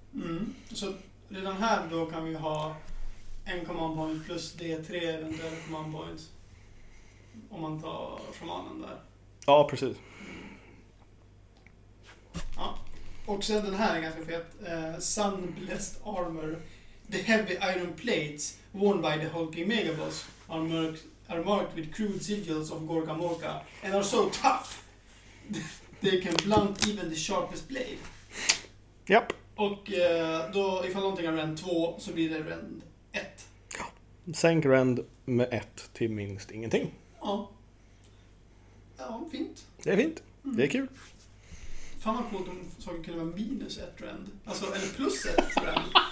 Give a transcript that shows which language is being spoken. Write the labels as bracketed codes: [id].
[sv] Mm. Så redan här då kan vi ha en command point plus D3 eventuella command points. Om man tar shamanen där. Ja, precis. Ja. Och sen den här är ganska fet. [en] Sunblessed Armor. The heavy iron plates worn by the hulking megaboss are marked with crude sigils of Gorka Morka and are so tough they can blunt even the sharpest blade. [sv] Japp. Yep. Och då ifall någonting har rend 2 så blir det rend 1. Ja. Sänk rend med 1 till minst ingenting. Ja. Ja, fint. Det är fint. Mm. Det är kul. Fan vad coolt om saker kunde vara minus 1 rend. Alltså, eller plus 1 rend.